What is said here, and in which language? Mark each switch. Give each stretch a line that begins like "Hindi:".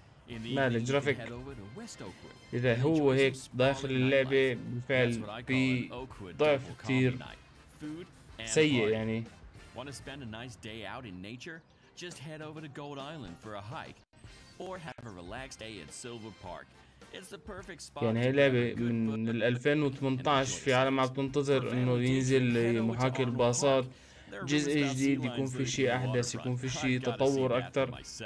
Arabic: ما الجرافيك إذا هو هيك داخل اللعبة بالفعل في ضعف كتير سيء.
English: يعني Want to spend a nice day out in nature? Just head over to Gold Island for a hike, or have a relaxed day at Silver Park. It's the perfect spot.
Arabic: يعني هي لعبة من 2018، في عالم عم تنتظر انه ينزل محاكي الباصات جزء جديد، يكون في شيء احدث، يكون في شيء تطور اكثر.